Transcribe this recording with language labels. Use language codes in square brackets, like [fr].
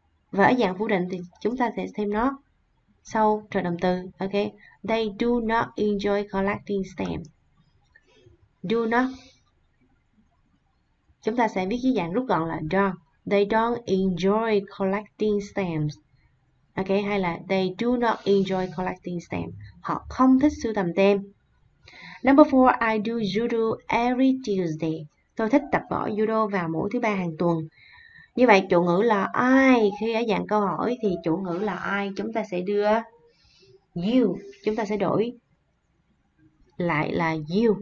[vi] Và ở dạng phủ định thì chúng ta sẽ thêm nó sau trò trầm từ. Ok. [en] They do not enjoy collecting stamps. Do not. [vi] Chúng ta sẽ viết dưới dạng rút gọn là don't. [en] They don't enjoy collecting stamps. Ok, [vi] hay là [en] they do not enjoy collecting stamps. [vi] Họ không thích sưu tầm tem. [en] Number four, I do judo every Tuesday. [vi] Tôi thích tập võ judo vào mỗi thứ ba hàng tuần. Như vậy, chủ ngữ là ai? Khi ở dạng câu hỏi thì chủ ngữ là ai? Chúng ta sẽ đưa you. Chúng ta sẽ đổi lại là you.